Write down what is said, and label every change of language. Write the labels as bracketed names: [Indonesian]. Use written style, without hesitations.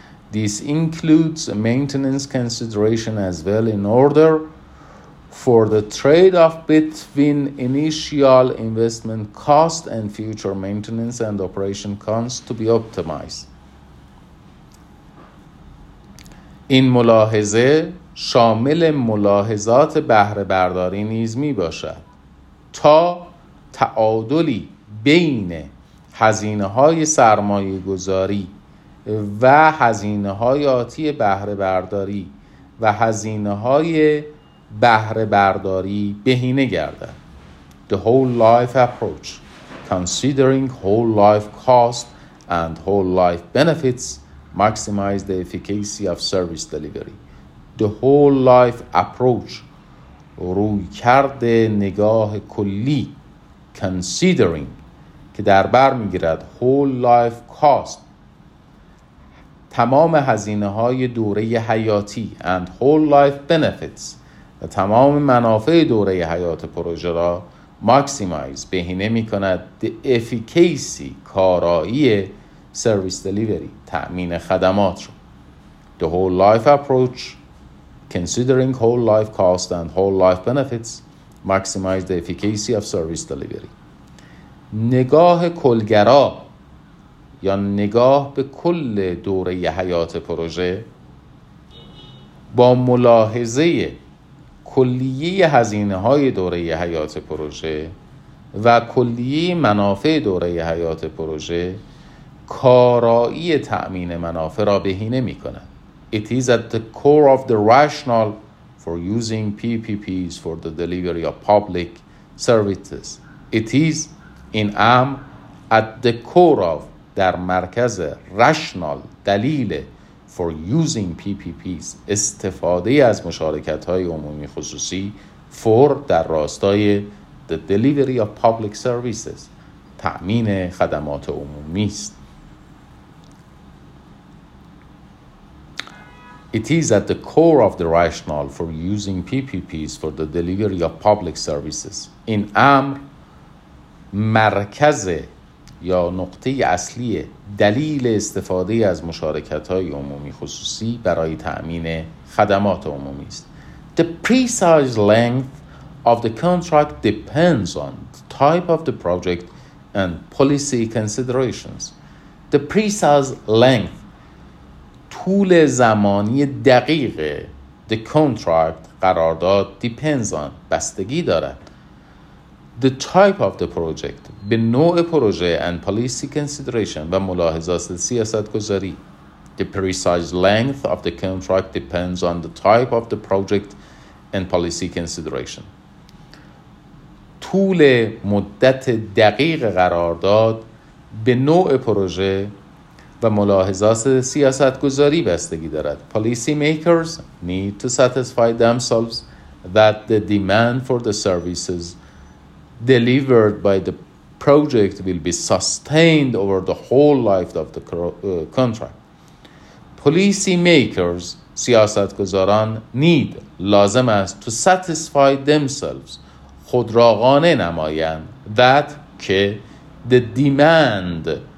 [English] This includes maintenance consideration as well in order for the trade-off between initial investment cost and future maintenance and operation costs to be optimized. [Persian] این ملاحظه شامل ملاحظات بهره برداری نیز می باشد تا تعادلی بین هزینه های سرمایه گذاری و هزینه های آتی بهره برداری و هزینه های بهره برداری بهینه گردد. [English] The whole life approach, considering whole life cost and whole life benefits, maximize the efficacy of service delivery. The whole life approach, [Persian] روی کرد نگاه کلی, [English] considering [Persian] که در بر میگیرد [English] whole life cost, [Persian] تمام هزینه های دوره حیاتی [English] and whole life benefits [Persian] و تمام منافع دوره حیات پروژه را [English] maximize [Persian] بهینه می کند [English] the efficacy [Persian] کارایی [English] service delivery [Persian] تأمین خدمات را. [English] The whole life approach considering whole life cost and whole life benefits maximize the efficacy of service delivery. [Persian] نگاه کلگرا یا نگاه به کل دوره ی حیات پروژه با ملاحظه کلیه هزینه های دوره ی حیات پروژه و کلیه منافع دوره ی حیات پروژه کارایی تأمین منافع را بهینه می کند. [English] It is at the core of the rationale for using PPPs for the delivery of public services. It is in am at the core of [Persian] در مرکز رشنال دلیل [English] for using PPPs [Persian] استفاده از مشارکت های عمومی خصوصی [English] for [Persian] در راستای [English] the delivery of public services [Persian] تأمین خدمات عمومی است. [English] It is at the core of the rationale for using PPPs for the delivery of public services. [Persian] این امر مرکز یا نقطه اصلی دلیل استفاده از مشارکت‌های عمومی خصوصی برای تأمین خدمات عمومی است. [English] The precise length of the contract depends on the type of the project and policy considerations. The precise length [Persian] طول زمانی دقیق [English] the contract [Persian] قرارداد [English] depends on [Persian] بستگی دارد. [English] The type of the project [Persian] به نوع پروژه [English] and policy consideration [Persian] و ملاحظات سیاست گذاری. [English] The precise length of the contract depends on the type of the project and policy consideration. [Persian] طول مدت دقیق قرارداد به نوع پروژه و ملاحظات سیاست‌گذاری بستگی دارد. [English] Policy makers need to satisfy themselves that the demand for the services delivered by the project will be sustained over the whole life of the contract. Policy makers, [Persian] سیاست‌گذاران [English] need, [Persian] لازم است [English] to satisfy themselves, [Persian] خود را قانع نمایند [English] that [Persian] که [English] the demand,